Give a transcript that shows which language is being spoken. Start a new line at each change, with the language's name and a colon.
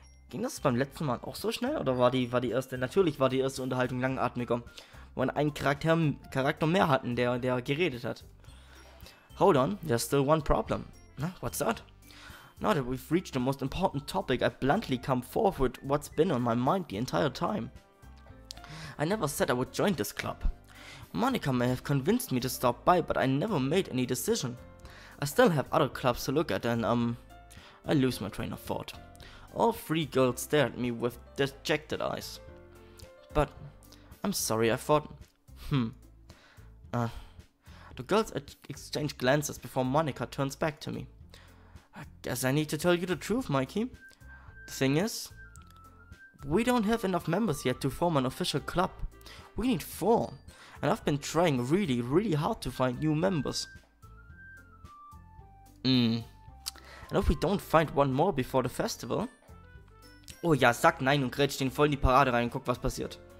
German: Ging das beim letzten Mal auch so schnell oder war die erste? Natürlich war die erste Unterhaltung langatmiger. Wenn einen Charakter mehr hatten, der geredet hat.
English: Hold on, there's still one problem. What's that? Now that we've reached the most important topic, I bluntly come forth with what's been on my mind the entire time. I never said I would join this club. Monika may have convinced me to stop by, but I never made any decision. I still have other clubs to look at and, I lose my train of thought. All three girls stare at me with dejected eyes. But... I'm sorry, I thought... The girls exchange glances before Monika turns back to me. I guess I need to tell you the truth, Mikey. The thing is... We don't have enough members yet to form an official club. We need four. And I've been trying really, really hard to find new members. And if we don't find one more before the festival...
German: Oh ja, sag nein und grätsch den voll in die Parade rein und guck, was passiert.